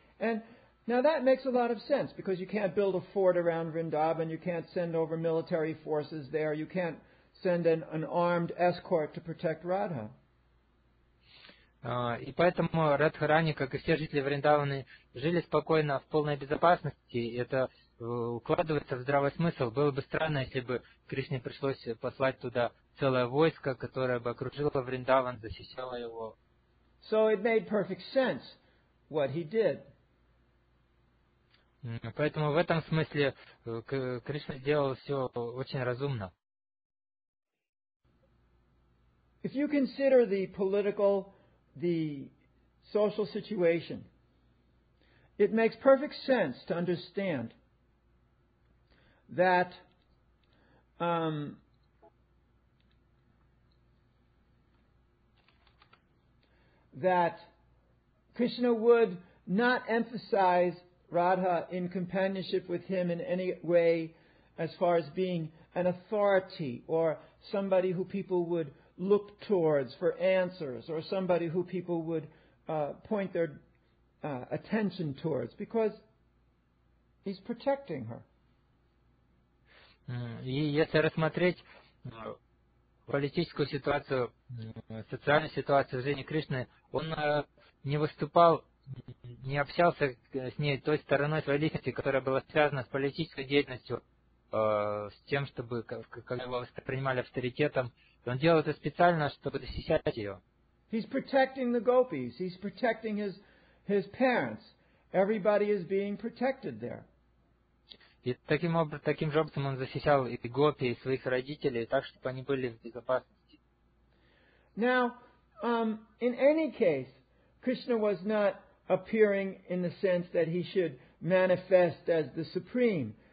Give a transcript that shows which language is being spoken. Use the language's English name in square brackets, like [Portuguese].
[English] And now that makes a lot of sense, because you can't build a fort around Vrindavan, you can't send over military forces there, you can't send an armed escort to protect Radha. [Russian] И поэтому Радхарани, как и все жители Вриндаваны, жили спокойно, в полной безопасности. Это укладывается в здравый смысл. Было бы странно, если бы Кришне пришлось послать туда целое войско, которое бы окружило Вриндаван, защищало его. [English] So it made perfect sense what he did. [Russian] Поэтому в этом смысле Кришна сделал все очень разумно. [English] If you consider the political, the social situation, it makes perfect sense to understand that that Krishna would not emphasize Radha in companionship with him in any way as far as being an authority or somebody who people would look towards for answers or somebody who people would point their attention towards because he's protecting her. [Russian] И если рассмотреть политическую ситуацию, социальную ситуацию в жизни Кришны, он не выступал, не общался с ней той стороной своей личности, которая была связана с политической деятельностью, с тем, чтобы как его воспринимали авторитетом. Он делал это специально, чтобы защищать ее. [English] He's protecting the gopis. He's protecting his parents. Everybody is being protected there. [Russian] И таким же образом он защищал и гопи, и своих родителей, так, чтобы они были в безопасности. [English] Now, in any case, Krishna was not appearing in the sense that he should manifest as the supreme.